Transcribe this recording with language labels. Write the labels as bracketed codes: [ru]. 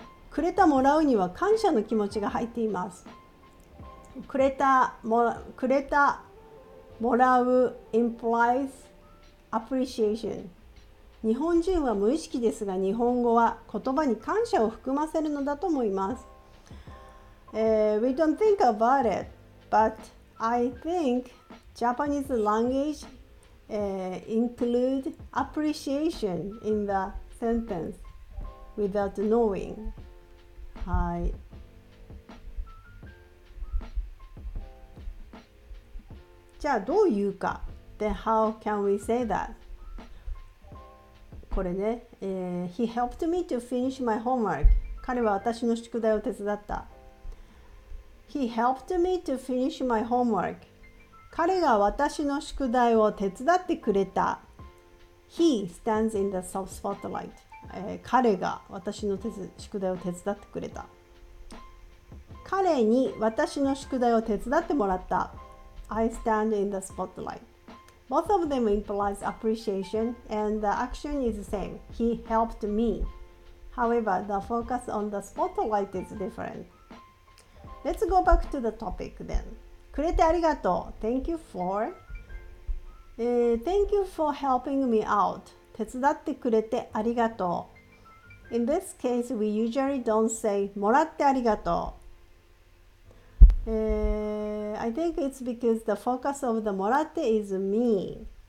[ja] くれたもらうには感謝の気持ちが入っています。 [en] くれたもらう implies appreciation。 [ja] 日本人は無意識ですが、日本語は言葉に感謝を含ませるのだと思います。 [en] We don't think about it, but I think Japanese language include appreciation in the sentence without knowing. [ja] はい、じゃあどう言うか。 [en] Then how can we say that? [ja] これね、 [en] He helped me to finish my homework. [ja] 彼は私の宿題を手伝った。 [en] He helped me to finish my homework. [ja] 彼が私の宿題を手伝ってくれた。 [en] He stands in the spotlight. [ja] 彼が私の宿題を手伝ってくれた。彼に私の宿題を手伝ってもらった。 [en] I stand in the spotlight. Both of them implies appreciation and the action is the same. He helped me. However, the focus on the spotlight is different. Let's go back to the topic then. [ja] くれてありがとう。 [en] Thank you for. Thank you for helping me out. [ja] 手伝ってくれてありがとう。 [en] In this case, we usually don't say [ja] もらってありがとう。 [en] I think it's because the focus of the もらって is me.